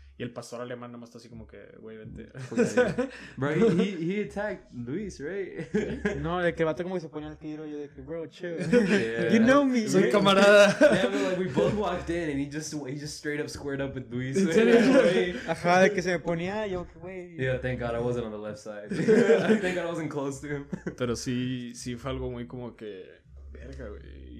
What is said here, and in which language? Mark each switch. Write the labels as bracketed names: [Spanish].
[Spanish] Y el pastor alemán nomás está así como que, güey, vente. [English] Bro, he attacked Luis, right? [Spanish] No, de que el vato como que se ponía al tiro, yo de que, [English] bro, chill. Yeah. You know me. [Spanish] Soy camarada. [English] Yeah, but like, we both walked in and he just straight up squared up with Luis. Right? Yeah, right? [Spanish] Ajá, de que se me ponía, yo, güey. [English] Yeah, thank God I wasn't on the left side. Thank God I wasn't close to him. [Spanish] Pero sí, sí fue algo muy como que, verga, güey.